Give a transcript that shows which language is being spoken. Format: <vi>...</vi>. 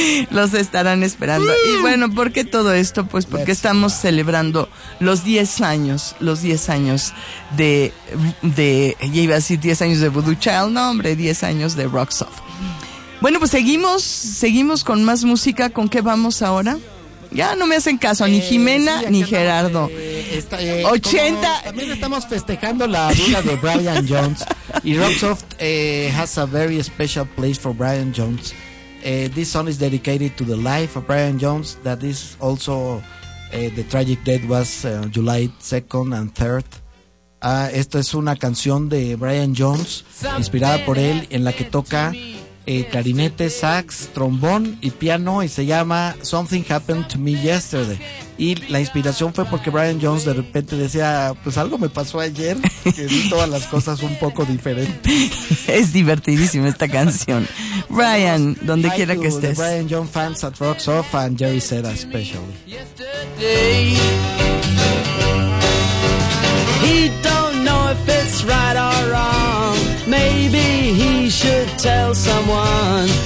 <es>Los estarán esperando. Y bueno, ¿por qué todo esto? Pues porque estamos celebrando los 10 años, los 10 años de ya iba a decir 10 años de Voodoo Child, no hombre, 10 años de RocksOff. Bueno, pues seguimos con más música. ¿Con qué vamos ahora? Ya no me hacen caso, ni Jimena, sí, ni Gerardo. También estamos festejando la duda de Brian Jones.</es> <en>Y RocksOff has a very special place for Brian Jones. This song is dedicated to the life of Brian Jones. That is also the tragic date was July 2nd and 3rd.</en> <es>Esta es una canción de Brian Jones, inspirada por él, en la que toca clarinete, sax, trombón y piano, y se llama Something Happened to Me Yesterday. Y la inspiración fue porque Brian Jones de repente decía, pues algo me pasó ayer, que vi todas las cosas un poco diferentes. Es divertidísima esta canción. Brian, donde quiera que estés.</es> <en>Brian Jones fans at Rocks Off and Jerry Seda especially. Yesterday. He don't know if it's right or wrong. Maybe he should tell someone.</en>